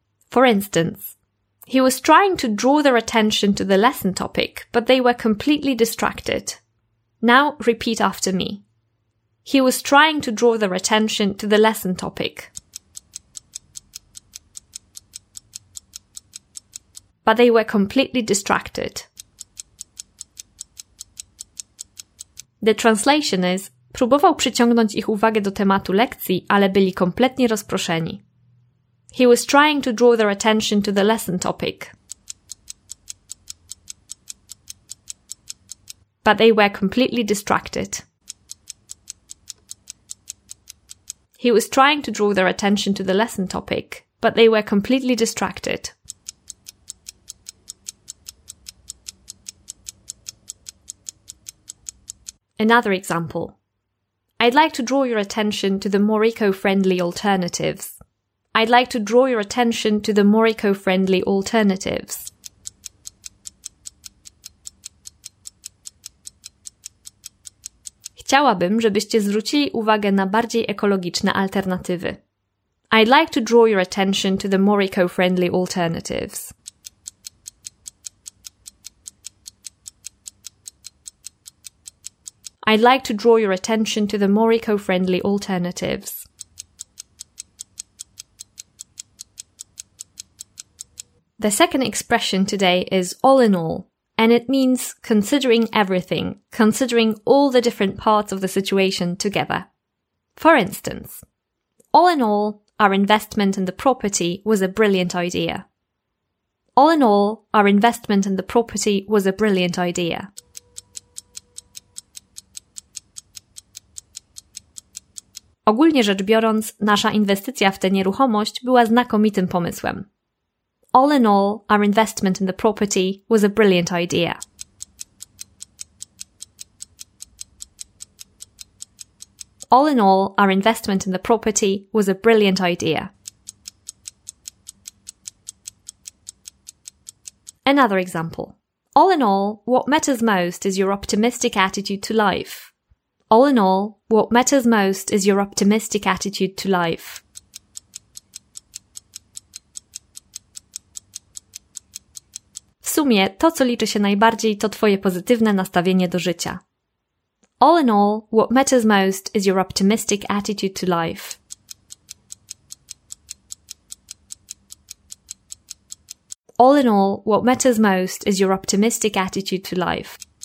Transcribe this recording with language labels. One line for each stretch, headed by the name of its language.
English: For instance, he was trying to draw their attention to the lesson topic, but they were completely distracted. Now repeat after me. He was trying to draw their attention to the lesson topic, but they were completely distracted. The translation is:
Polish: próbował przyciągnąć ich uwagę do tematu lekcji, ale byli kompletnie rozproszeni.
English: He was trying to draw their attention to the lesson topic, but they were completely distracted. He was trying to draw their attention to the lesson topic, but they were completely distracted. Another example. I'd like to draw your attention to the more eco-friendly alternatives. I'd like to draw your attention to the more eco-friendly alternatives.
Polish: Chciałabym, żebyście zwrócili uwagę na bardziej ekologiczne alternatywy.
English: I'd like to draw your attention to the more eco-friendly alternatives. I'd like to draw your attention to the more eco-friendly alternatives. The second expression today is all in all, and it means considering everything, considering all the different parts of the situation together. For instance, all in all, our investment in the property was a brilliant idea. All in all, our investment in the property was a brilliant idea.
Polish: Ogólnie rzecz biorąc, nasza inwestycja w tę nieruchomość była znakomitym pomysłem.
English: all in all, our investment in the property was a brilliant idea. All in all, our investment in the property was a brilliant idea. Another example. All in all, what matters most is your optimistic attitude to life. All in all, what matters most is your optimistic attitude to life.
Polish: W sumie, to co liczy się najbardziej, to twoje pozytywne nastawienie do życia.
English: All in all, what matters most is your optimistic attitude to life. All in all, what matters most is your optimistic attitude to life.